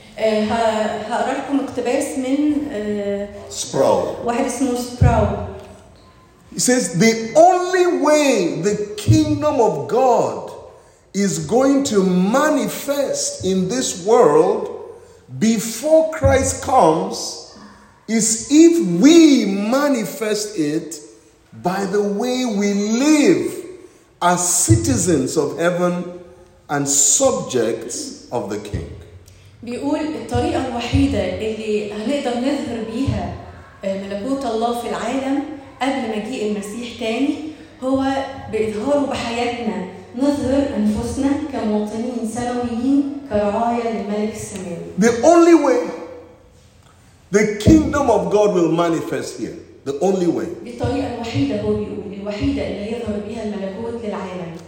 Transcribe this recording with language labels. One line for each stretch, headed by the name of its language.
English: He says, the only way the kingdom of God is going to manifest in this world before Christ comes is if we manifest it by the way we live as citizens of heaven and subjects of the King.
Arabic: بيقول الطريقة الوحيدة اللي هنقدر نظهر بيها ملكوت الله في العالم قبل مجيء المسيح تاني هو بإظهاره بحياتنا نظهر أنفسنا كمواطنين سلويين كرعاية للملك السماوي.
English: The only way the kingdom of God will manifest here. The only way.
Arabic: بالطريقة الوحيدة هو بيقول الوحيدة اللي يظهر بيها الملكوت للعالم.